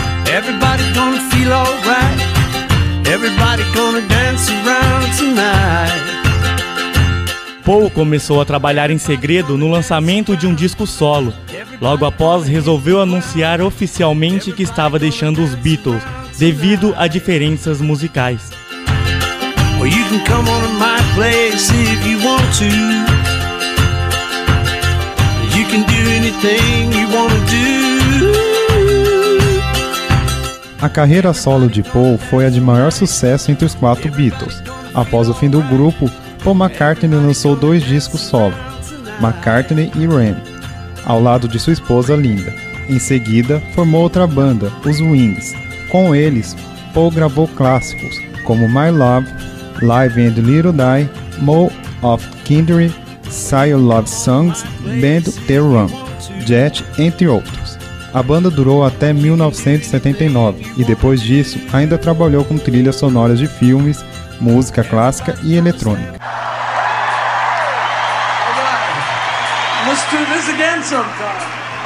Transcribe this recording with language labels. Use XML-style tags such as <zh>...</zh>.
<en>Everybody gonna feel alright. Everybody gonna dance around tonight.</en> <pt>Paul começou a trabalhar em segredo no lançamento de um disco solo. Logo após, resolveu anunciar oficialmente que estava deixando os Beatles, devido a diferenças musicais.</pt> <en>Well, you can come on to my place if you want to. You can do anything you want to do.</en> <pt>A carreira solo de Paul foi a de maior sucesso entre os quatro Beatles. Após o fim do grupo, Paul McCartney lançou dois discos solo, McCartney e Ram, ao lado de sua esposa Linda. Em seguida, formou outra banda, os Wings. Com eles, Paul gravou clássicos como My Love, Live and Little Die, More of Kindred, Say Your Love Songs, Band The Run, Jet, entre outros. A banda durou até 1979 e depois disso ainda trabalhou com trilhas sonoras de filmes, música clássica e eletrônica.</pt> <en>Let's do this again sometime.</en>